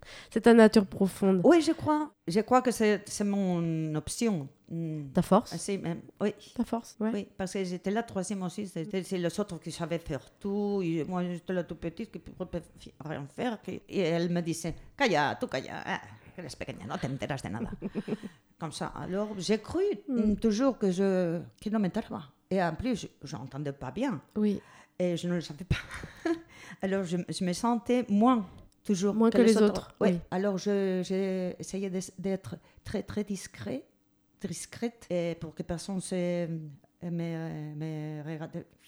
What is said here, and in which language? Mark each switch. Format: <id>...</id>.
<fr>C'est ta nature profonde. Oui, je crois. Je crois que c'est mon option. Ta force. Oui. Ta force, ouais. Oui. Parce que j'étais la troisième aussi. C'est les autres qui savaient faire tout. Et moi, j'étais la toute petite qui ne pouvait rien faire. Et elle me disait, «</fr> <es>Calla, tu calla. Eh. » Eres pequeña, no te enteras de nada.</es> <fr>Comme ça. Alors, j'ai cru toujours que</fr> <es>no me enteraba.</es> <fr>Et en plus, je n'entendais pas bien. Oui. Et je ne le savais pas. Alors, je me sentais moins, toujours. Moins que les autres. Ouais. Oui. Alors, j'ai essayé d'être très, très discrète, et pour que personne ne me regarde.</fr>